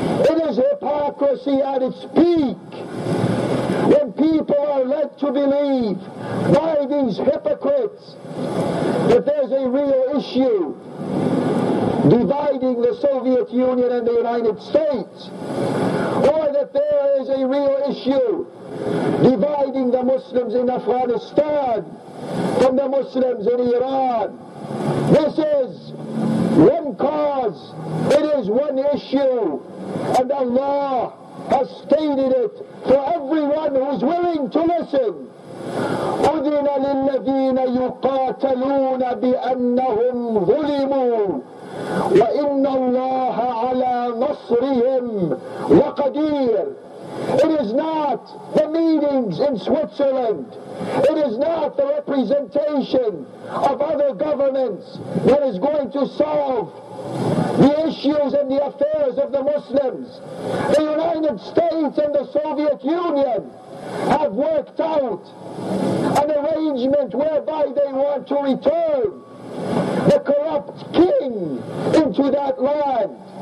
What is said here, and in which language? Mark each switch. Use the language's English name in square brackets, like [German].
[English] it is hypocrisy at its peak when people are led to believe by these hypocrites that there's a real issue dividing the Soviet Union and the United States, or that there is a real issue dividing the Muslims in Afghanistan from the Muslims in Iran. This is one cause, it is one issue, and Allah has stated it for everyone who's willing to listen. [Arabic] أذن للذين يقاتلون بأنهم ظلموا وإن الله على نصرهم لقدير. [English] It is not the meetings in Switzerland. It is not the representation of other governments that is going to solve the issues and the affairs of the Muslims. The United States and the Soviet Union have worked out an arrangement whereby they want to return the corrupt king into that land.